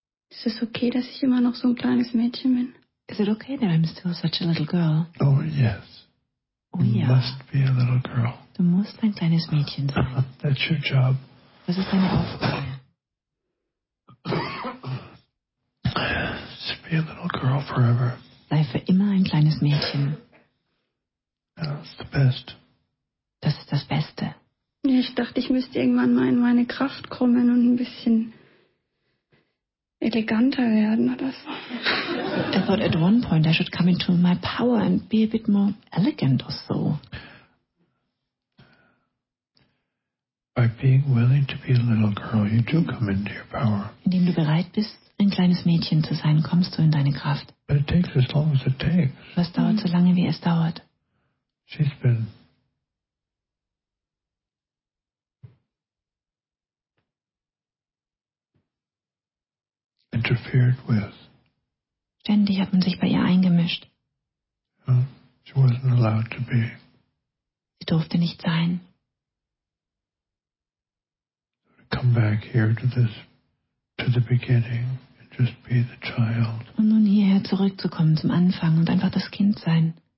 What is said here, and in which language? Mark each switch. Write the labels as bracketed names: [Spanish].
[German] Ist es okay, dass ich immer noch so ein kleines Mädchen bin? [English] Is it okay that I'm still such a little girl? Oh, yes. [German] Oh, ja. [English] You must be a little girl. [German] Du musst ein kleines Mädchen sein. [English] That's your job. [German] Das ist deine Aufgabe. [English] Just be a little girl forever. [German] Sei für immer ein kleines Mädchen. [English] That's the best. [German] Das ist das Beste. Ich dachte, ich müsste irgendwann mal in meine Kraft kommen und ein bisschen eleganter werden oder so. [English] I thought at one point I should come into my power and be a bit more elegant or so. By being willing to be a little girl, you do come into your power. [German] Indem du bereit bist, ein kleines Mädchen zu sein, kommst du in deine Kraft. [English] But it takes as long as it takes. [German] Was dauert so lange, wie es dauert? [English] She's been interfered with. [German] Ständig hat man sich bei ihr eingemischt. [English] She wasn't allowed to be. [German] Sie durfte nicht sein. [English] Come back here to this, to the beginning, and just be the child. [German] Und nun hierher zurückzukommen zum Anfang und einfach das Kind sein.